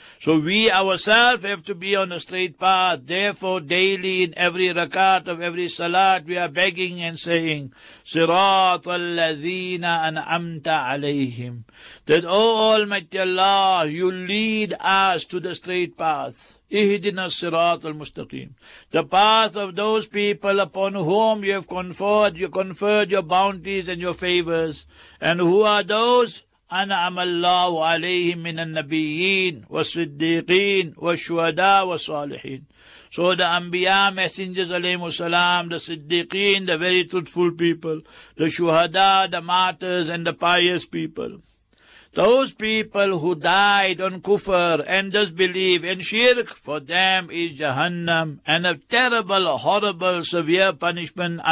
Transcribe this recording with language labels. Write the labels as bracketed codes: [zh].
[en] So we ourselves have to be on a straight path. Therefore, daily in every rakat of every salat, we are begging and saying, [ar] صِرَاطَ الَّذِينَ أَنْعَمْتَ عَلَيْهِمْ. [en] That, O Almighty Allah, you lead us to the straight path. [ar] اِهْدِنَا الصِّرَاطَ الْمُسْتَقِيمِ. [en] The path of those people upon whom you have conferred your bounties and your favors. And who are those? [ar] أنعم الله عليهم من النبيين والصديقين والشهداء والصالحين. [en] So the Anbiya, Messengers alayhi wasalam, the Siddiqeen, the very truthful people, the Shuhada, the martyrs and the pious people. Those people who died on kufr and disbelief and shirk, for them is Jahannam and a terrible, horrible, severe punishment.